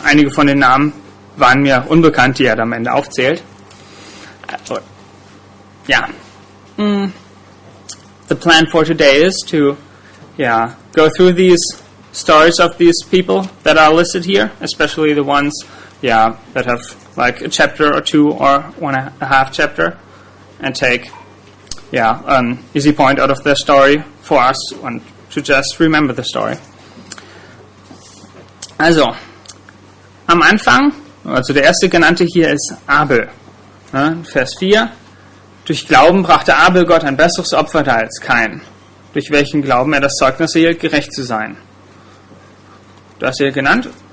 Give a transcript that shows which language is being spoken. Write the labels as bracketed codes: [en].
[de] Einige von den Namen waren mir unbekannt, die er da am Ende aufzählt. [en] The plan for today is to go through these stories of these people that are listed here, especially the ones that have like a chapter or two or one and a half chapter, and take an easy point out of their story for us and to just remember the story. [de] Also, am Anfang, also der erste genannte hier ist Abel. Vers 4. Durch Glauben brachte Abel Gott ein besseres Opfer dar als Kain, durch welchen Glauben er das Zeugnis erhielt, gerecht zu sein. Du hast hier genannt.